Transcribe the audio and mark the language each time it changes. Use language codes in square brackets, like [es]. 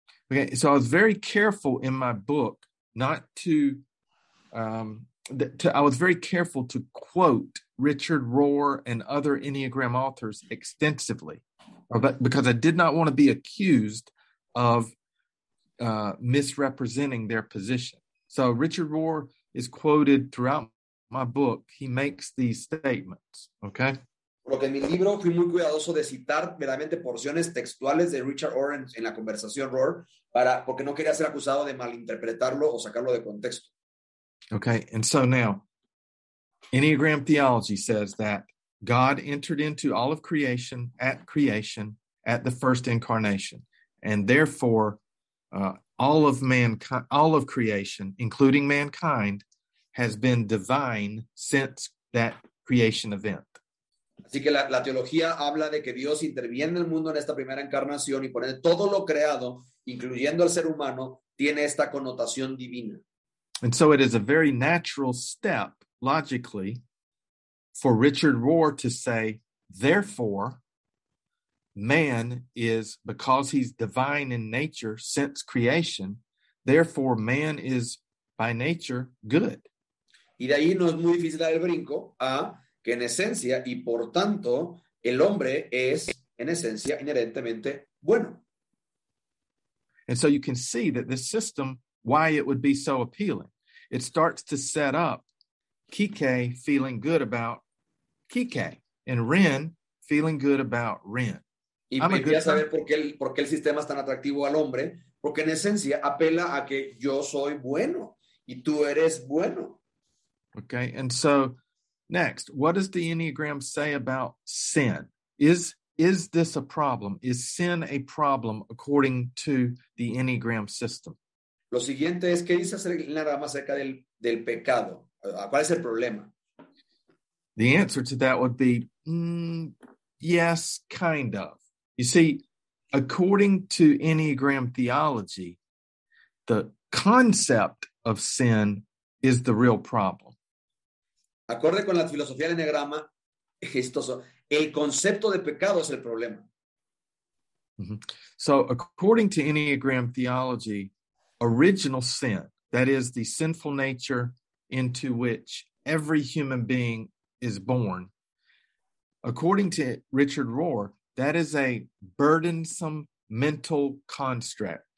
[en] Okay, so I was very careful in my book not to I was very careful to quote Richard Rohr and other Enneagram authors extensively, but because I did not want to be accused of misrepresenting their position. So Richard Rohr is quoted throughout my book. He makes these statements, okay? [es] Porque en mi libro fui muy cuidadoso de citar meramente porciones textuales de Richard Rohr en la conversación Rohr porque no quería ser acusado de malinterpretarlo o sacarlo de contexto. [en] Okay, and so now, Enneagram theology says that God entered into all of creation, at the first incarnation, and therefore, all of mankind, all of creation, including mankind, has been divine since that creation event. [es] Así que la teología habla de que Dios interviene en el mundo en esta primera encarnación y por ende todo lo creado, incluyendo al ser humano, tiene esta connotación divina. [en] And so it is a very natural step, logically, for Richard Rohr to say, therefore, man is, because he's divine in nature since creation, therefore man is by nature good. [es] Y de ahí no es muy difícil dar el brinco a que en esencia y por tanto el hombre es en esencia inherentemente bueno. [en] And so you can see that this system, why it would be so appealing. It starts to set up Kike feeling good about Kike and Ren feeling good about Ren. [es] Y me gustaría saber por qué el sistema es tan atractivo al hombre, porque en esencia apela a que yo soy bueno y tú eres bueno. [en] Okay, and so next, what does the Enneagram say about sin? Is this a problem? Is sin a problem according to the Enneagram system? [es] Lo siguiente es, ¿qué dice acerca del pecado? ¿Cuál es el problema? [en] The answer to that would be yes, kind of. You see, according to Enneagram theology, the concept of sin is the real problem. [es] Acorde con la filosofía del Enneagrama, el concepto de pecado es el problema. [en] So, according to Enneagram theology, original sin, that is the sinful nature into which every human being is born, according to Richard Rohr, that is a burdensome mental construct.